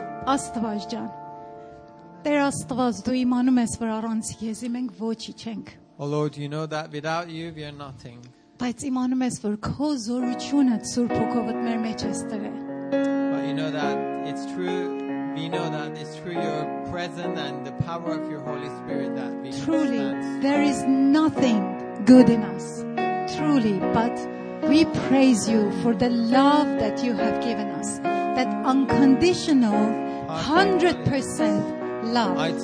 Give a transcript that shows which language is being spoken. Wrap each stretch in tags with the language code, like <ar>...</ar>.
<hy>Աստված ջան, Տեր Աստված, դու իմանում ես, որ առանց Եզի մենք ոչինչ ենք.</hy> <en>Oh Lord, you know that without you we are nothing.</en> <hy>Բայց իմանում ես, որ քո զորությունը Սուրբ Հոգովդ մեր մեջ է ստեղը.</hy> <en>But you know that it's true, we know that it's through your presence and the power of your Holy Spirit that we truly there is nothing good in us. Truly, but we praise you for the love that you have given us, that unconditional 100% love.</en>